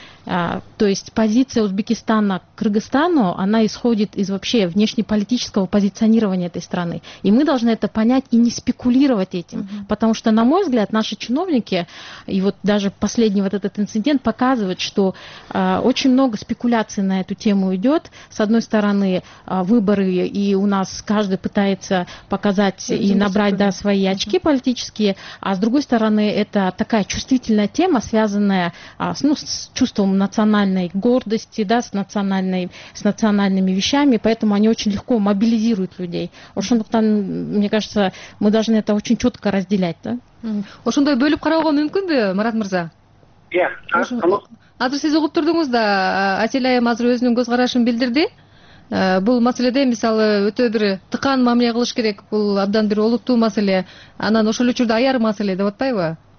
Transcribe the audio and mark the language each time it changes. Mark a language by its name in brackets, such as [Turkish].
[Russian] То есть позиция Узбекистана к Кыргызстану, она исходит из вообще внешнеполитического позиционирования этой страны. И мы должны это понять и не спекулировать этим. Mm-hmm. Потому что, на мой взгляд, наши чиновники, и вот даже последний вот этот инцидент показывает, что очень много спекуляций на эту тему идет. С одной стороны, выборы, и у нас каждый пытается показать mm-hmm. и набрать mm-hmm. да, свои очки mm-hmm. политические. А с другой стороны, это такая чувствительная тема, связанная с чувством национальной гордости, да, с национальными вещами, поэтому они очень легко мобилизируют людей. [Kyrgyz] Ошондуктан, [Russian] мне кажется, мы должны это очень четко разделять, да? [Kyrgyz] Ошондой бөлүп караууга мүмкүнбү, Марат мырза? [Russian] Да. [Kyrgyz] Азыр сиз угуп турдуңуз да, Асель айым азыр өзүнүн көз карашын билдирди. Бул маселеде, мисалы, өтө бир тыкан мамиле кылыш керек, бул абдан бир олуттуу маселе, анан ошол учурда аяр маселе деп атпайбы?